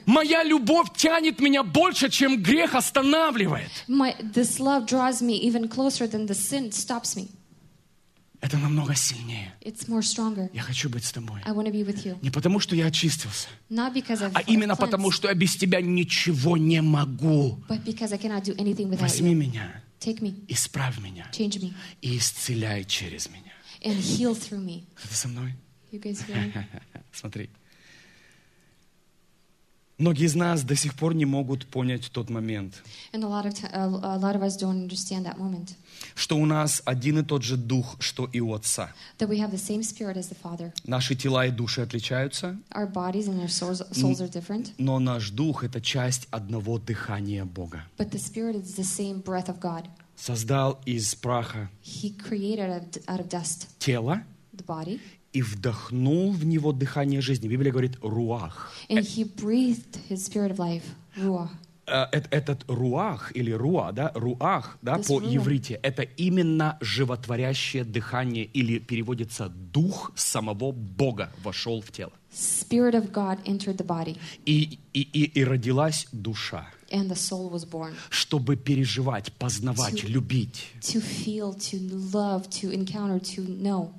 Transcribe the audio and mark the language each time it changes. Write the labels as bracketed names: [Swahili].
[Russian] Моя любовь тянет меня больше, чем грех останавливает. [English] This love draws me even closer than the sin stops me. [Russian] Это намного сильнее. [English] It's more stronger. [Russian] Я хочу быть с тобой. [English] I want to be with you. [Russian] Не потому, что я очистился. [English] Not because I've [Russian] а именно [English] cleansed. [Russian] Потому, что я без тебя ничего не могу. [English] But because I cannot do anything without [Russian] возьми [English] you. [Russian] Меня. [English] Take me. [Russian] Исправь меня. [English] Change me. [Russian] И исцеляй через меня. [English] And heal through me. [Russian] Кто-то со мной? [English] You guys hear me? [Russian] Смотри. Многие из нас до сих пор не могут понять тот момент. [English] And a lot of us don't understand that moment. [Russian] Что у нас один и тот же дух, что и у Отца. [English] That we have the same spirit as the Father. [Russian] Наши тела и души отличаются. [English] Our bodies and our souls are different. [Russian] Но наш дух — это часть одного дыхания Бога. [English] But the spirit is the same breath of God. [Russian] Создал из праха [English] He created out of dust [Russian] тело. [English] The body. [Russian] И вдохнул в него дыхание жизни. Библия говорит «руах». [English] And he breathed his spirit of life, «руах». [Russian] Этот руах или руа, да, руах, да, по иврите, это именно животворящее дыхание или переводится дух самого Бога вошел в тело. [English] Spirit of God entered the body. [Russian] И родилась душа. [English] And the soul was born. [Russian] Чтобы переживать, познавать, любить. [English] To feel, to love, to encounter, to know.